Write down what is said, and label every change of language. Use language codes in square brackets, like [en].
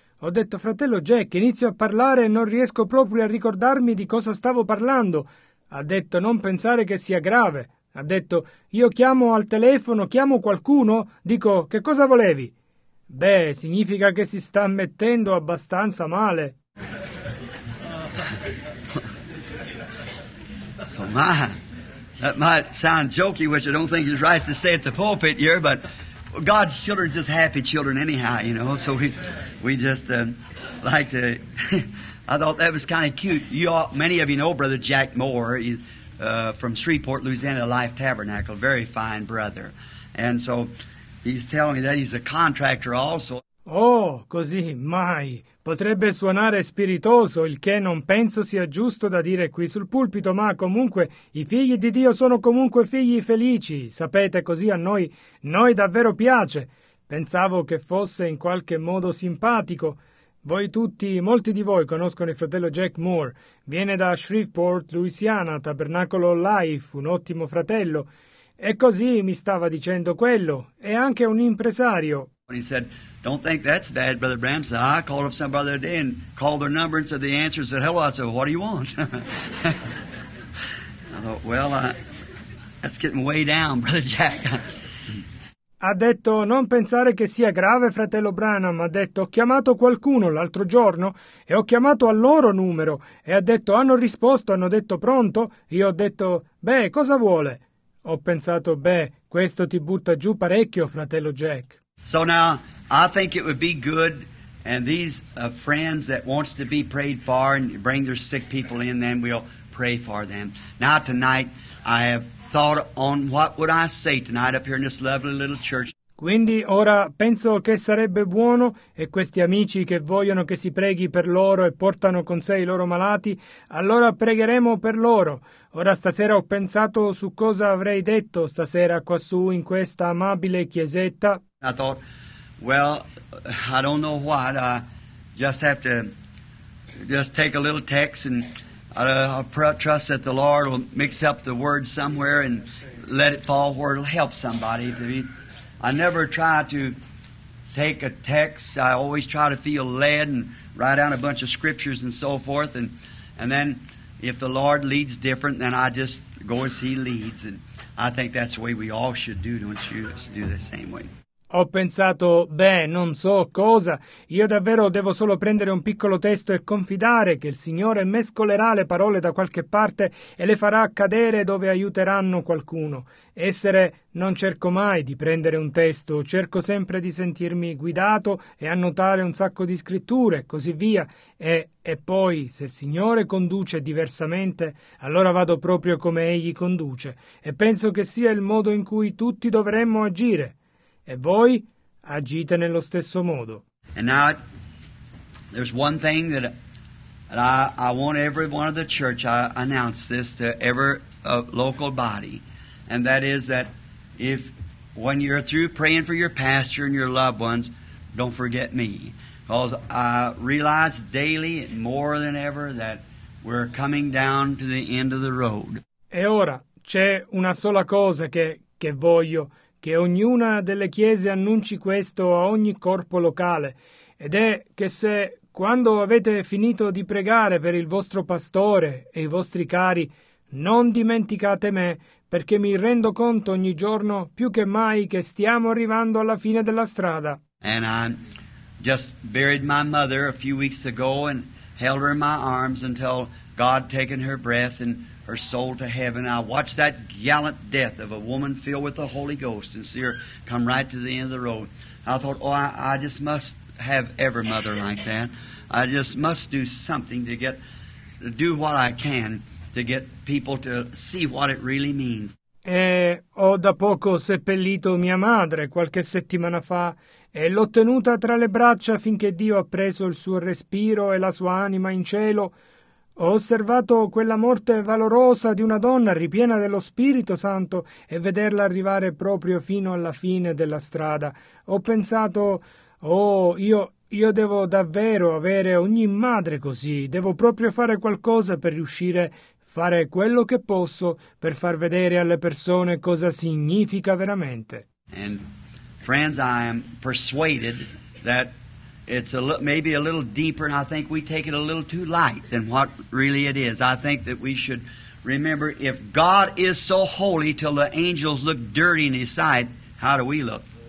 [it] Ho detto, fratello Jack, inizio a parlare e non riesco proprio a ricordarmi di cosa stavo parlando. Ha detto, non pensare che sia grave. Ha detto, io chiamo al telefono, chiamo qualcuno, dico, che cosa volevi? Beh, significa che si sta mettendo abbastanza male. [en] So, that might sound jokey, which I don't think is right to say at the pulpit here, but God's children are just happy children anyhow, you know, so we just like to, I thought that was kind of cute. Many of you know Brother Jack Moore, from Shreveport, Louisiana, Life Tabernacle, very fine brother. And so he's telling me that he's a contractor also. [it] Oh, così mai. Potrebbe suonare spiritoso, il che non penso sia giusto da dire qui sul pulpito, ma comunque i figli di Dio sono comunque figli felici, sapete, così a noi davvero piace. Pensavo che fosse in qualche modo simpatico. Voi tutti, molti di voi conoscono il fratello Jack Moore. Viene da Shreveport, Louisiana, Tabernacolo Life, un ottimo fratello. E così mi stava dicendo quello. È anche un impresario. [en] He said, don't think that's bad, Brother Bram. So I called up some brother the day and called their number and said the answer and said, hello. I said, what do you want? I thought, well, that's getting way down, Brother Jack. [it] Ha detto, non pensare che sia grave, fratello Branham, ha detto, ho chiamato qualcuno l'altro giorno e ho chiamato al loro numero e ha detto, hanno risposto, hanno detto pronto, io ho detto, beh, cosa vuole? Ho pensato, beh, questo ti butta giù parecchio, fratello Jack. [en] So now, I think it would be good, and these friends that wants to be prayed for and bring their sick people in, then we'll pray for them. Now tonight, I have thought on what would I say tonight up here in this lovely little church. [it] Quindi ora penso che sarebbe buono e questi amici che vogliono che si preghi per loro e portano con sé i loro malati, allora pregheremo per loro. Ora stasera ho pensato su cosa avrei detto stasera quassù in questa amabile chiesetta. [en] I thought, well, I don't know what, I just have to just take a little text and I trust that the Lord will mix up the word somewhere and let it fall where it'll help somebody. I never try to take a text. I always try to feel led and write down a bunch of scriptures and so forth. And then if the Lord leads different, then I just go as He leads. And I think that's the way we all should do, don't you? Do the same way. [it] Ho pensato, beh, non so cosa, io davvero devo solo prendere un piccolo testo e confidare che il Signore mescolerà le parole da qualche parte e le farà cadere dove aiuteranno qualcuno. Essere, non cerco mai di prendere un testo, cerco sempre di sentirmi guidato e annotare un sacco di scritture, così via. E poi, se il Signore conduce diversamente, allora vado proprio come Egli conduce. E penso che sia il modo in cui tutti dovremmo agire. E voi agite nello stesso modo. [en] And now there's one thing that I want every one of the church, I announce this to every local body, and that is that if when you're through praying for your pastor and your loved ones, don't forget me. Because I realize daily more than ever that we're coming down to the end of the road. [it] E ora c'è una sola cosa che voglio. Che ognuna delle chiese annunci questo a ogni corpo locale, ed è che se, quando avete finito di pregare per il vostro pastore e i vostri cari, non dimenticate me, perché mi rendo conto ogni giorno più che mai che stiamo arrivando alla fine della strada. [en] And I just buried my mother a few weeks ago and held her in my arms until God taken her breath and her soul to heaven. I watched that gallant death of a woman filled with the Holy Ghost and see her come right to the end of the road. I thought, oh, I just must have every mother like that. I just must do something to do what I can to get people to see what it really means. [it] E ho da poco seppellito mia madre qualche settimana fa e l'ho tenuta tra le braccia finché Dio ha preso il suo respiro e la sua anima in cielo. Ho osservato quella morte valorosa di una donna ripiena dello Spirito Santo e vederla arrivare proprio fino alla fine della strada. Ho pensato, oh, io devo davvero avere ogni madre così, devo proprio fare qualcosa per riuscire a fare quello che posso per far vedere alle persone cosa significa veramente. [en] And friends, I am persuaded that it's a maybe a little deeper, and I think we take it a little too light than what really it is. I think that we should remember, if God is so holy till the angels look dirty in His sight, how do we look?